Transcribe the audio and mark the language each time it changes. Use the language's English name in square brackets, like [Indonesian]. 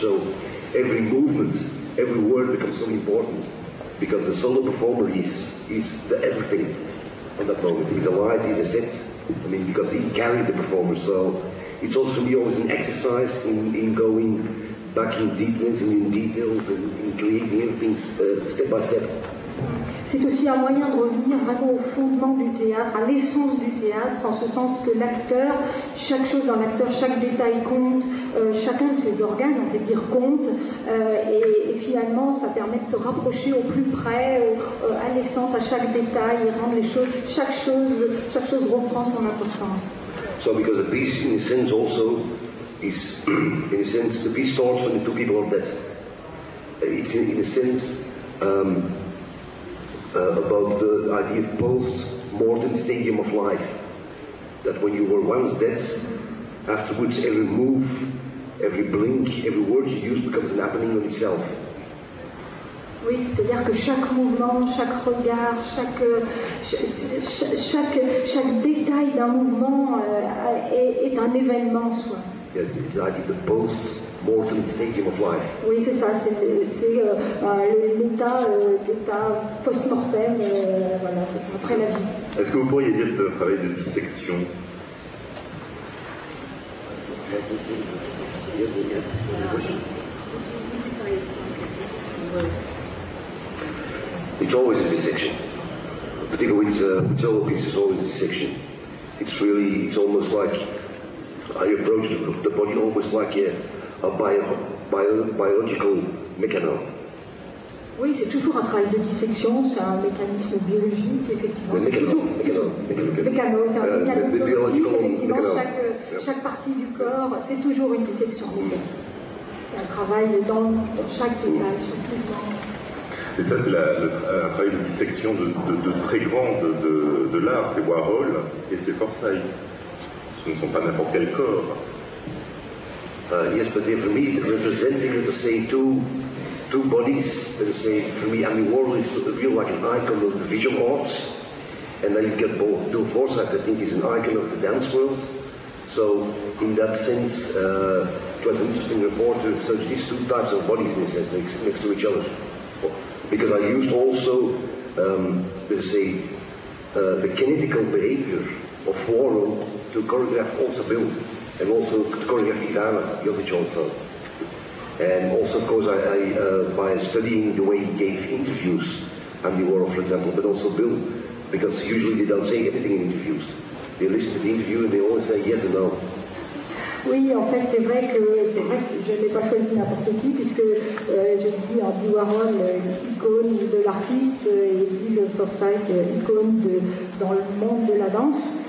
[English] So every movement, every word becomes so important because the solo performer is the everything at that moment. He's a light, he's a set. I mean, because he carried the performer. So it's also for me always an exercise in going back in deepness and in details and in creating things step by step. [French] C'est aussi un moyen de revenir vraiment au fondement du théâtre, à l'essence du théâtre, en ce sens que l'acteur, chaque chose dans l'acteur, chaque détail compte, chacun de ses organes, on peut dire, compte, et finalement, ça permet de se rapprocher au plus près, à l'essence, à chaque détail, et rendre les choses, chaque chose reprend son importance. [English] So because the piece, in a sense also, is, in a sense, the piece starts when the two people are dead. It's in a sense, about the idea of post-mortem stadium of life, that when you were once dead, afterwards every move, every blink, every word you use becomes an happening of itself. [French] Oui, c'est-à-dire que chaque mouvement, chaque regard, chaque détail d'un mouvement est un événement en soi. [English] Yes, it's the idea of the post. More than the stadium of life. [French] Oui, c'est ça, c'est l'état post-mortem, voilà, après la vie. Est-ce que vous pourriez dire ce travail de dissection? [English] It's always a dissection. Particularly with solo pieces, it's always a dissection. It's really, it's almost like I approach the body almost like, yeah, a biological mechanism. [French] Oui, c'est toujours un travail de dissection, c'est un mécanisme biologique, effectivement. Mécano, c'est un mécanisme biologique, effectivement, chaque partie du corps, c'est toujours une dissection. C'est un travail dans chaque détail, surtout. Et ça, c'est un travail de dissection de très grand de l'art, c'est Warhol et c'est Forsyth. Ce ne sont pas n'importe quel corps. [English] Yes, but for me, representing the same two bodies, the same, for me, I mean, Warhol is a real like an icon of the visual arts, and then you get both. Bill Forsyth, I think, is an icon of the dance world. So, in that sense, it was an interesting report to search these two types of bodies, in a sense, next to each other. Because I used also, the kinetical behavior of Warhol to choreograph also Bill. And also choreograph Ivana Jovic also. And also, of course, I by studying the way he gave interviews, Andy Warhol, for example, but also Bill, because usually they don't say anything in interviews. They listen to the interview and they always say yes and no. [French] Oui, en fait, c'est vrai que je n'ai pas choisi n'importe qui, puisque je dis Andy Warhol, icône de l'artiste, et Bill Forsyth, icône dans le monde de la danse.